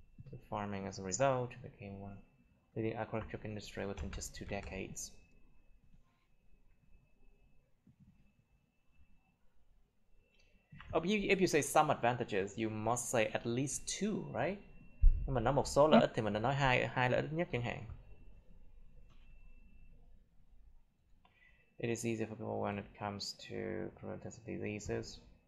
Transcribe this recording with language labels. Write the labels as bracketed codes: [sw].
[en] The farming as a result became one of the agriculture industry within just 2 decades. If you say some advantages, you must say at least two, right? [vi] Nhưng mà nói một số lợi ích thì mình nên nói hai hai lợi ích nhất chẳng hạn. [en] It is easier for people when it comes to preventing diseases.